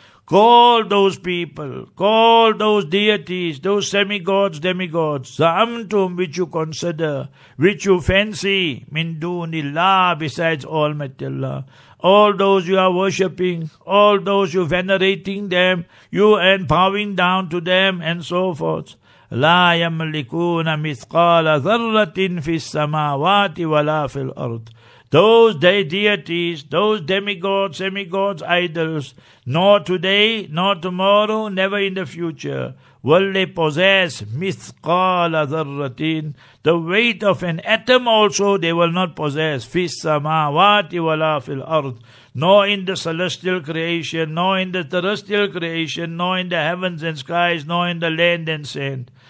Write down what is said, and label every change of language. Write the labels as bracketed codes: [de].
[en] Call those people, call those deities, those semi-gods, demigods, زَعَمْتُمْ, which you consider, which you fancy, [ar] مِنْ دُونِ اللَّهِ, [en] besides Almighty Allah. All those you are worshipping, all those you venerating them, you and bowing down to them, and so forth. [ar] لا يملكون مثقال ذرة في السماوات ولا في الأرض. [en] Those deities, those demigods, semigods, idols, nor today, nor tomorrow, never in the future, will they possess [ar] مثقال ذرة, [en] the weight of an atom also they will not possess, [ar] في السماوات ولا في الأرض, [en] nor in the celestial creation, nor in the terrestrial creation, nor in the heavens and skies, nor in the land and sand.